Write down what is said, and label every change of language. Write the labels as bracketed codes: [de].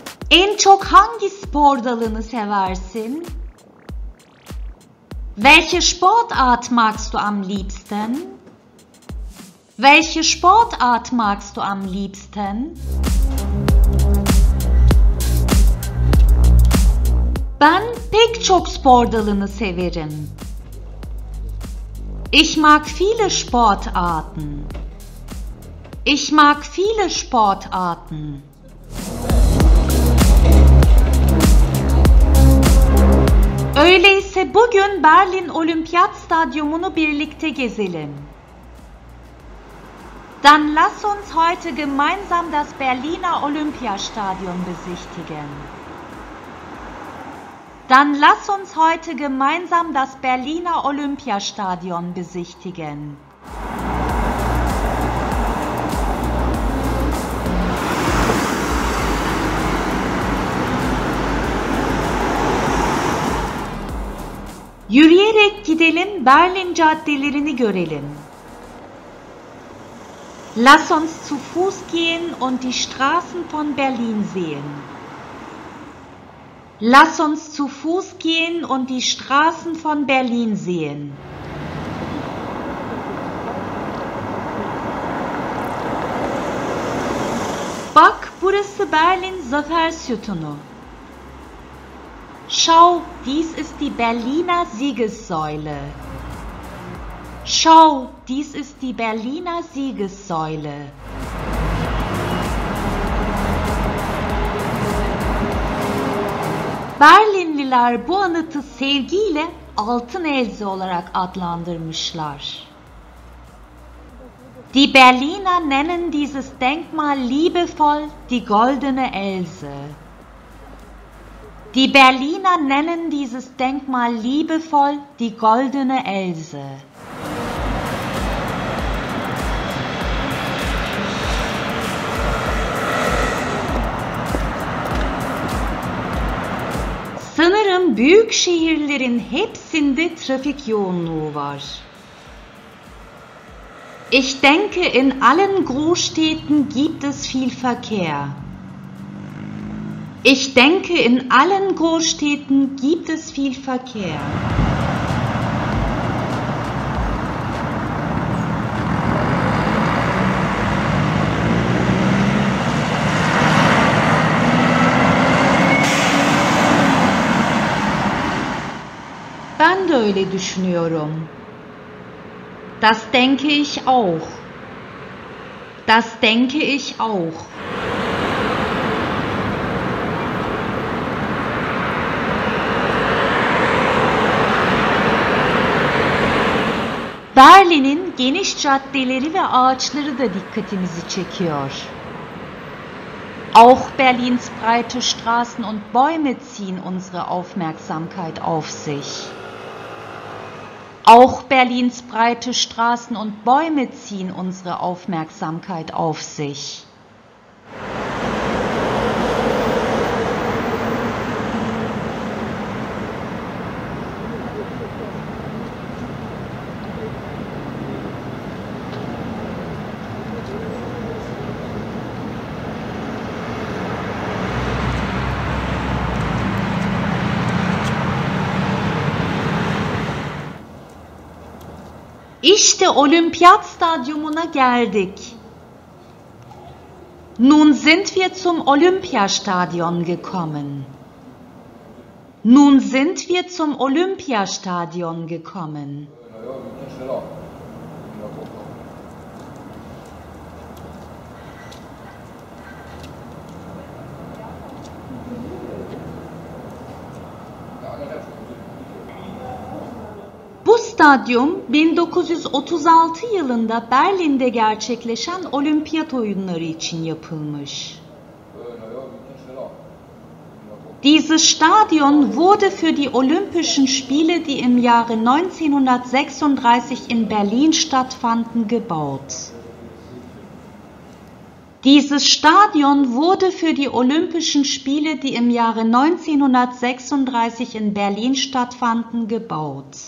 [tr] En çok hangi spor dalını seversin? [de] Welche Sportart magst du am liebsten? Welche Sportart magst du am liebsten? [tr] Ben pek çok spor dalını severim. [de] Ich mag viele Sportarten. Ich mag viele Sportarten. [tr] Öyleyse bugün Berlin Olimpiyat Stadyumunu birlikte gezelim. [de] Dann lass uns heute gemeinsam das Berliner Olympiastadion besichtigen. Dann lass uns heute gemeinsam das Berliner Olympiastadion besichtigen. [tr] Yürüyerek gidelim, Berlin caddelerini görelim. [de] Lass uns zu Fuß gehen und die Straßen von Berlin sehen. Lass uns zu Fuß gehen und die Straßen von Berlin sehen. [tr] Bak, burası Berlin Zafer Sütunu. [de] Schau, dies ist die Berliner Siegessäule. Schau, dies ist die Berliner Siegessäule. [tr] Berlinliler bu anıtı sevgiyle altın elze olarak adlandırmışlar. [de] Die Berliner nennen dieses Denkmal liebevoll die goldene Elze. Die Berliner nennen dieses Denkmal liebevoll die goldene Elze. [tr] Sanırım büyük şehirlerin hepsinde trafik yoğunluğu var. [de] Ich denke, in allen Großstädten gibt es viel Verkehr. Ich denke, in allen Großstädten gibt es viel Verkehr. [tr] Ben de öyle düşünüyorum. [de] Das denke ich auch. Das denke ich auch. [tr] Berlin'in geniş caddeleri ve ağaçları da dikkatimizi çekiyor. [de] Auch Berlins breite Straßen und Bäume ziehen unsere Aufmerksamkeit auf sich. Auch Berlins breite Straßen und Bäume ziehen unsere Aufmerksamkeit auf sich. [tr] İşte Olimpiyat Stadyumuna geldik. [de] Nun sind wir zum Olympiastadion gekommen. Nun sind wir zum Olympiastadion gekommen. [tr] Stadyum 1936 yılında Berlin'de gerçekleşen Olimpiyat Oyunları için yapılmış. [de] Dieses Stadion wurde für die Olympischen Spiele, die im Jahre 1936 in Berlin stattfanden, gebaut. Dieses Stadion wurde für die Olympischen Spiele, die im Jahre 1936 in Berlin stattfanden, gebaut.